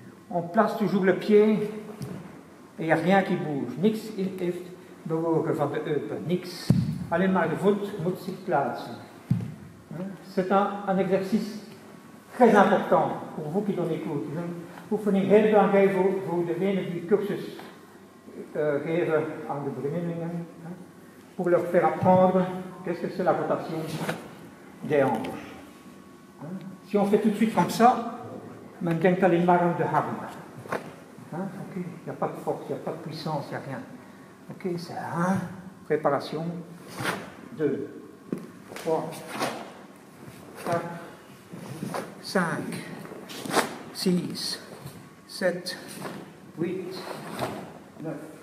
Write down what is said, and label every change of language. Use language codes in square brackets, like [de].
[fr] On place toujours le pied et il n'y a rien qui bouge. [nl] Nix, [fr] il est [nl] bewogen van de heupen. Nix. Alleen maar de voet moet zich plaatsen. [fr] C'est un exercice très important pour vous qui donnez cours. C'est une [nl] oefening heel belangrijk voor degenen die cursus geven aan de beginnelingen. [fr] Pour leur faire apprendre qu'est-ce que c'est la rotation des hanches. Si on fait tout de suite comme ça, [nl] men denkt alleen maar aan de harmen. [fr] Oké, il n'y a pas de force, il n'y a pas de puissance, il n'y a rien. Oké, c'est 1, préparation, 2, 3, 4, 5, 6, 7, 8, 9.